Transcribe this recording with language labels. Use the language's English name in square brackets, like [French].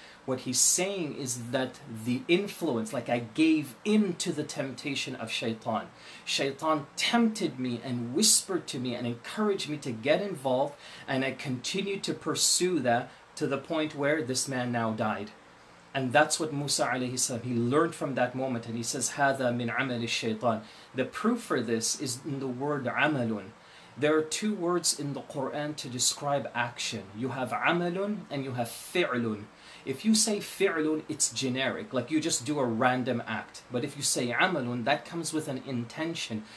[English] What he's saying is that the influence, like I gave in to the temptation of shaitan. Shaitan tempted me and whispered to me and encouraged me to get involved. And I continued to pursue that to the point where this man now died. And that's what Musa alayhi salam, he learned from that moment. And he says, [Arabic] هَذَا مِنْ عَمَلِ الشَّيْطَانِ. [English] The proof for this is in the word عَمَلٌ. There are two words in the Quran to describe action. You have عَمَلٌ and you have فِعْلٌ. If you say فِعْلٌ, it's generic. Like you just do a random act. But if you say عَمَلٌ, that comes with an intention.